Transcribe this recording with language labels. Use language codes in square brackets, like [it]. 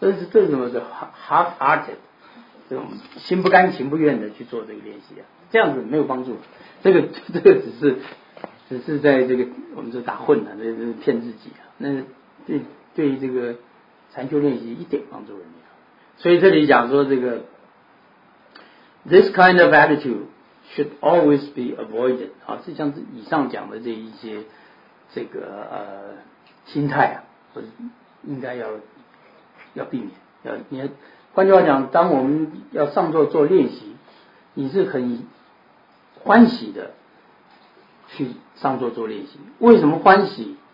[zh] 这是什么叫 [en] half-hearted， [zh] 这种心不甘情不愿的去做这个练习啊，这样子没有帮助。这个只是在这个我们这打混的，这是骗自己啊，那对这个禅修练习一点帮助也没有。所以这里讲说这个 [en] This kind of attitude should always be avoided. [zh] 啊，就像以上讲的这一些这个心态啊，或者应该要避免。换句话讲，当我们要上座做练习，你是很欢喜的去上座做练习。为什么欢喜？